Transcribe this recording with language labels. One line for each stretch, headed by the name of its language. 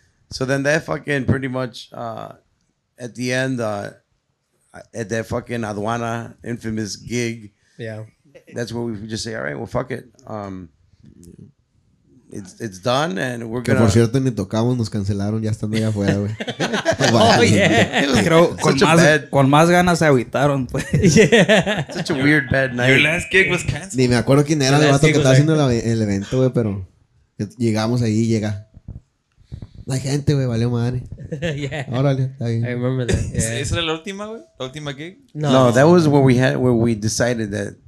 English: So then that fucking pretty much at the end at that fucking Aduana infamous gig. Yeah, that's where we just say, all right, well, fuck it. It's done and we're
Spanish: que
English: gonna.
Spanish: Que por cierto ni tocamos, nos cancelaron ya estando allá afuera, güey.
English: Oh yeah.
Spanish: Creo con más ganas se agüitaron, pues.
English: Yeah. Such a weird bad night. Your last gig was canceled.
Spanish: Ni me acuerdo quién era el vato que estaba haciendo el evento, güey, pero llegamos ahí, llega la gente, güey, valió madre.
English: Yeah.
Spanish: Órale, está bien.
English: I remember that. Yeah.
Spanish: ¿Esa era la última, güey? ¿La última gig?
English: No, no, that was where we had, where we decided that